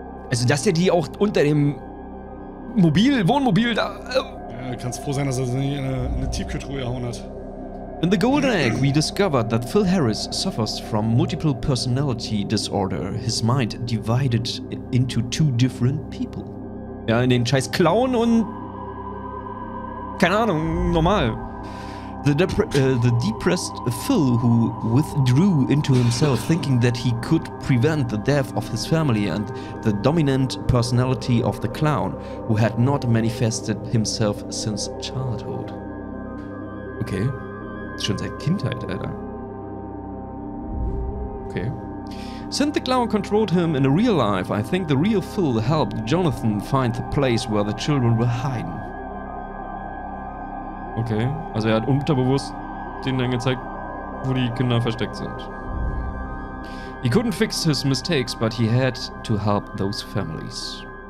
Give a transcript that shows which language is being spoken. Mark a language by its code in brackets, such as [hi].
[de] Also, dass der die auch unter dem Mobil, Wohnmobil da... Ja, kannst froh sein, dass er sie nicht in eine Tiefkühltruhe gehauen hat. [en] In the Golden Egg, we discovered that Phil Harris suffers from multiple personality disorder. His mind divided into two different people. [de] Ja, in den scheiß Clown und... Keine Ahnung, normal. [en] The depressed Phil, who withdrew into himself, thinking that he could prevent the death of his family, and the dominant personality of the clown, who had not manifested himself since childhood. Okay. [de] Schon seit Kindheit, Alter. [en] Okay. Since the clown controlled him in a real life, I think the real Phil helped Jonathan find the place where the children were hiding. [de] Okay, also er hat unterbewusst denen dann gezeigt, wo die Kinder versteckt sind. [en] He couldn't fix his mistakes, but he had to help those families.